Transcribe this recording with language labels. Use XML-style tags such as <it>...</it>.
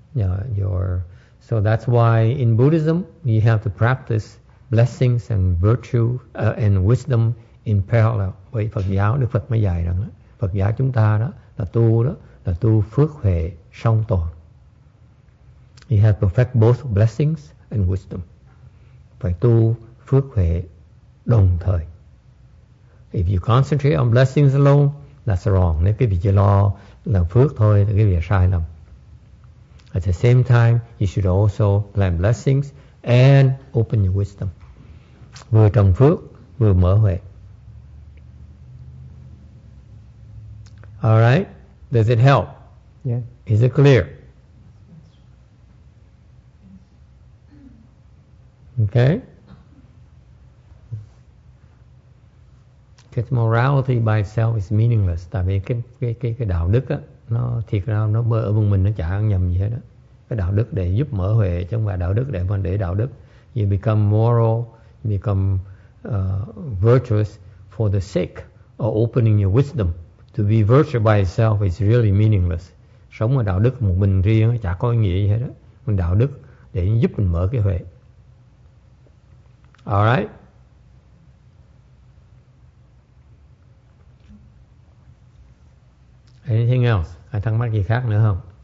<en>So that's why in Buddhism you have to practice blessings and virtue and wisdom in parallel.</en> <vi>Vậy Phật giáo, Đức Phật mới dạy rằng Phật giáo chúng ta là tu phước huệ song toàn.</vi> <en>You have to perfect both blessings and wisdom.</en> <vi>Phải tu phước huệ đồng thời.</vi> <en>If you concentrate on blessings alone, that's wrong.</en> <vi>Nếu quý vị chỉ lo làm phước thôi thì quý vị sai lầm.</vi> <en>At the same time, you should also plant blessings and open your wisdom.</en> <vi>Vừa trồng phước, vừa mở huệ.</vi> <en>All right? Does it help? Yeah. Is it clear? Okay? Because morality by itself is meaningless.</en> <vi>Tại vì cái đạo đức á, nó thiệt ra nó bơ ở vùng mình, nó chả ăn nhầm gì hết á. Cái đạo đức để giúp mở huệ, chứ không phải đạo đức để mình để đạo đức.</vi> <en>You become moral, you become virtuous for the sake of opening your wisdom. To be virtuous by itself is really meaningless.</en> <vi>Sống ở đạo đức một mình riêng chả có ý nghĩa gì hết á. Mình đạo đức để giúp mình mở cái huệ.</vi> <en>All right? Anything else?</en> <vi>Ai thắc mắc gì khác nữa không?</vi>